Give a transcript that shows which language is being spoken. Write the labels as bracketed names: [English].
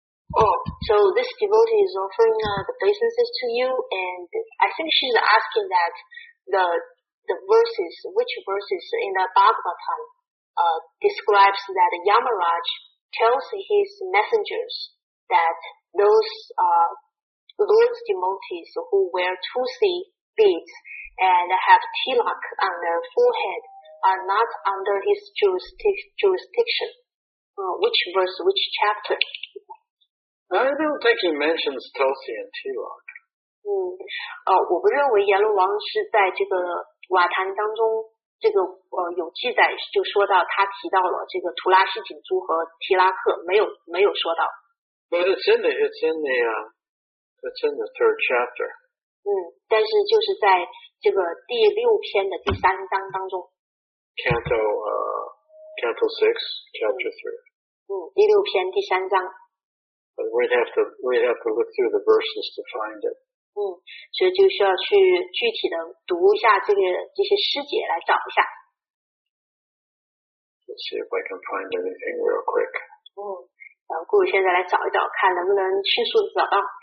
[English] So this devotee is offering the obeisances to you, and I think she's asking that the verses, which verses in the Bhagavatam describes that Yamaraj tells his messengers that those Lord's devotees who wear tulsi beads and have tilak on their forehead are not under his jurisdiction. Which verse, which chapter? I don't think he mentions Tulsi and Tilak. [Chinese] 我不认为阎罗王是在这个瓦坛当中这个有记载，就说到他提到了这个图拉西锦珠和提拉克，没有说到。 [English] But it's in the third chapter. [Chinese] 但是就是在这个第六篇的第三章当中。 [English] Canto 6, chapter 3. [Chinese] 第六篇第三章。 [English] We'd have to look through the verses to find it. [Chinese] 所以就需要去具体的读一下这些诗节来找一下。 [English] Let's see if I can find anything real quick. [Chinese] 然后顾现在来找一找，看能不能迅速的找到。